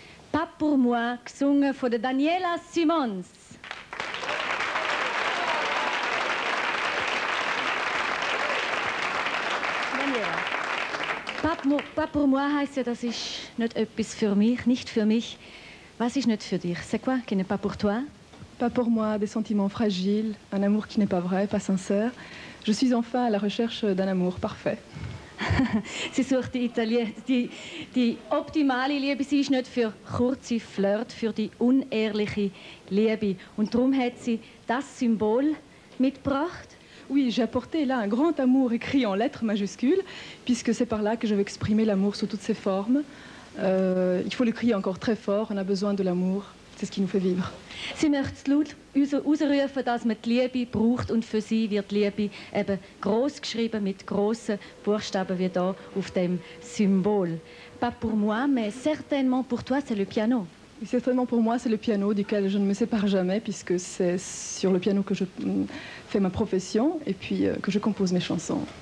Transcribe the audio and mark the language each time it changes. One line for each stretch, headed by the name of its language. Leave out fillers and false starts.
German: «Pas pour moi», gesungen von der Daniela Simons. Daniela. «Pas pour moi» heisst ja, das ist nicht etwas für mich, nicht für mich. Was ist nicht für dich?
French: C'est quoi qui n'est pas pour toi? «Pas pour moi», des sentiments fragiles, un amour qui n'est pas vrai, pas sincère. Je suis enfin à la recherche d'un amour parfait.
German: Sie sucht die Italienerin, die optimale Liebe. Sie ist nicht für kurze Flirt, für die unehrliche Liebe. Und darum hat sie das Symbol mitgebracht.
French: Oui, j'ai apporté là un grand amour écrit en lettres majuscules, puisque c'est par là que je vais exprimer l'amour sous toutes ses formes. Il faut le crier encore très fort, on a besoin de l'amour. C'est ce qui nous fait vivre.
German: Sie möchte laut ausrufen, dass man die Liebe braucht und für sie wird die Liebe eben gross geschrieben mit grossen Buchstaben wie hier auf dem Symbol.
French: Pas pour moi, mais certainement pour toi, c'est le piano. Certainement pour moi, c'est le piano duquel je ne me sépare jamais puisque c'est sur le piano que je fais ma profession et puis que je compose mes chansons.